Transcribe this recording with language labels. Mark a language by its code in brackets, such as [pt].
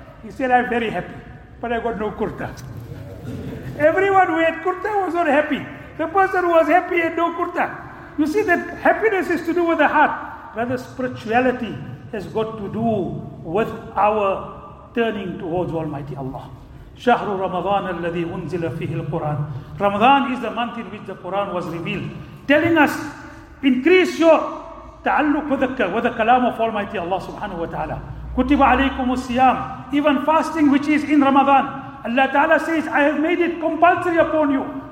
[en] He said, I'm very happy, but I got no kurta. Everyone who had kurta was not happy. The person who was happy had no kurta. You see, that happiness is to do with the heart. Rather, spirituality has got to do with our turning towards Almighty Allah. [ar] شهر رمضان الذي أنزل فيه القرآن. [en] Ramadan is the month in which the Quran was revealed, telling us, increase your تعلق with the kalam of Almighty Allah subhanahu wa ta'ala. [ar] كتب عليكم الصيام. [en] Even fasting which is in Ramadan, Allah ta'ala says, I have made it compulsory upon you.